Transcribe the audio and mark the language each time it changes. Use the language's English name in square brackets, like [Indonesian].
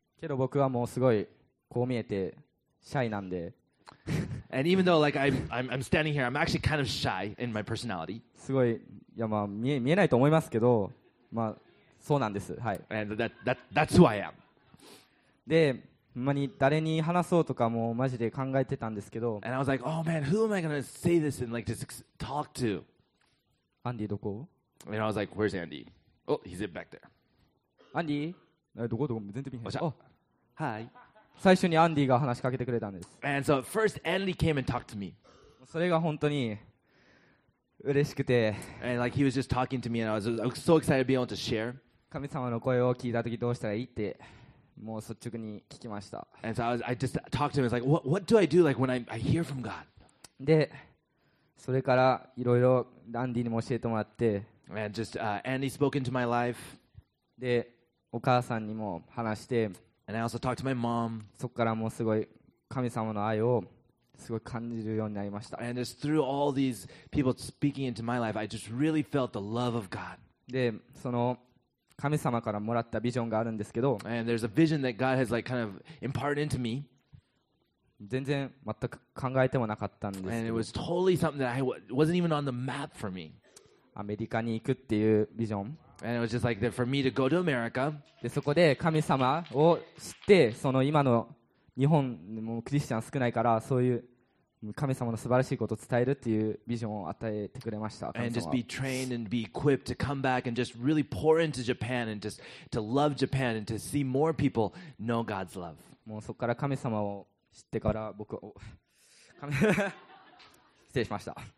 [Japanese] けど僕はもうすごいこう見えてシャイなんで。 [English] And even though like I'm standing here, I'm actually kind of shy in my personality. [Japanese] すごい、いやまあ見えないと思いますけど、まあそうなんです。はい。 [English] And that's who I am. [Japanese] で、ほんまに誰に話そうとかもマジで考えてたんですけど。 [English] And I was like, oh man, who am I gonna say this and like just talk to? [Japanese] アンディどこ？ [English] And I was like, where's Andy? Oh, he's back there. [Japanese] アンディ？どこどこ全然見えへん。はい。最初にアンディが話しかけてくれたんです。 [English] And so first Andy came and talked to me. [Japanese] それが本当に嬉しくて。 [English] And like he was just talking to me and I was so excited to be able to share. [Japanese] 神様の声を聞いたときどうしたらいいって。もう率直に聞きました。 [English] And so I just talked to him. It's like, what do I do like when I hear from God? [Japanese] で、それからいろいろランディにも教えてもらって、 [English] and just Andy spoke into my life。 [Japanese] で、お母さんにも話して、 [English] and I also talked to my mom。 [Japanese] そこからもうすごい神様の愛をすごい感じるようになりました。 [English] and just through all these people speaking into my life, I just really felt the love of God。 [Japanese] で、その神様からもらったビジョンがあるんですけど、 [English] and there's a vision that God has like kind of imparted into me。 [Japanese] 全然全く考えてもなかったんですけど、 [English] and it was totally something that I wasn't even on the map for me。 [Japanese] アメリカに行くっていうビジョン。 [English] And it was just like that for me to go to America。 [Japanese] でそこで神様を知って、その今の日本もクリスチャン少ないから、そういう神様の素晴らしいことを伝えるっていうビジョンを与えてくれました。 [English] And just be trained and be equipped to come back and just really pour into Japan and just to love Japan and to see more people know God's love。 [Japanese] もうそこから神様を知ってから僕は失礼しました。